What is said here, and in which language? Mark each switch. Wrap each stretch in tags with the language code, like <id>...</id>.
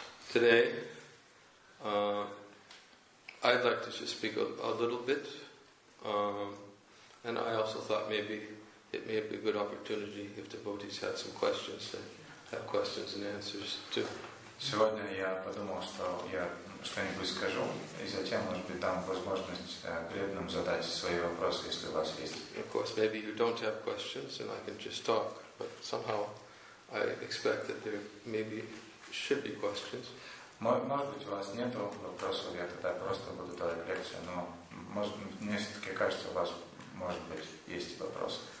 <en>Today, I'd like to just speak a little bit, and I also thought maybe it may be a good opportunity if devotees had some questions to have questions and answers too.</en> <ru>Сегодня я подумал, что я что-нибудь скажу, и затем, может быть, дам возможность преданным задать свои вопросы, если у вас есть.</ru> <en>Of course, maybe you don't have questions, and I can just talk, but somehow I expect that there maybe should be questions.</en> <ru>Может быть, у вас нет вопросов, я тогда просто буду давать лекцию, но может, мне все-таки кажется, у вас, может быть, есть вопросы.</ru>